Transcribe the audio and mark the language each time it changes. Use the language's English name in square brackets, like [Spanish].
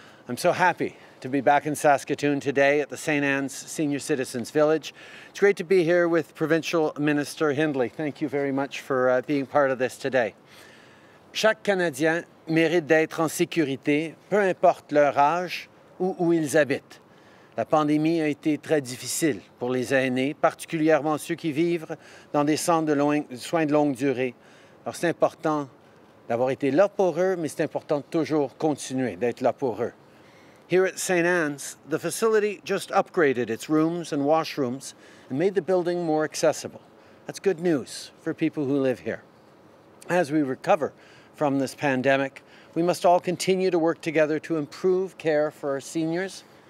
[English] I'm so happy to be back in Saskatoon today at the St. Anne's Senior Citizens Village. It's great to be here with Provincial Minister Hindley. Thank you very much for being part of this today. [French] Chaque Canadien mérite d'être en sécurité, peu importe leur âge ou où ils habitent. La pandémie a été très difficile pour les aînés, particulièrement ceux qui vivent dans des centres de soins de longue durée. Alors, c'est important d'avoir été là pour eux, mais c'est important de toujours continuer d'être là pour eux. [English] Here at St. Anne's, the facility just upgraded its rooms and washrooms and made the building more accessible. That's good news for people who live here. As we recover from this pandemic, we must all continue to work together to improve care for our seniors.